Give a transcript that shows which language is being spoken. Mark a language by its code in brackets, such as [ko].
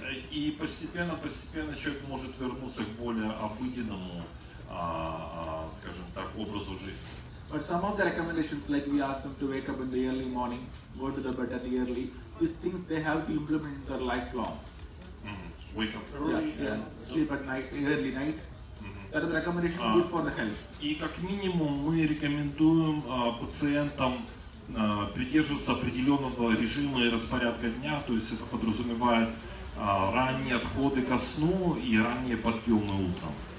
[ru] И постепенно человек может вернуться к более обыденному, скажем так, образу жизни. [en] But some of the recommendations, like we ask them to wake up in the early morning, go to the bed at the early, these things they have to implement in their lifelong. Mm-hmm. Wake up early. Sleep at night, early night. Mm-hmm. That is a recommendation good for the health. [ru] И как минимум мы рекомендуем пациентам придерживаться определенного режима и распорядка дня, то есть это подразумевает ранние отходы ко сну и ранние подъемы утром.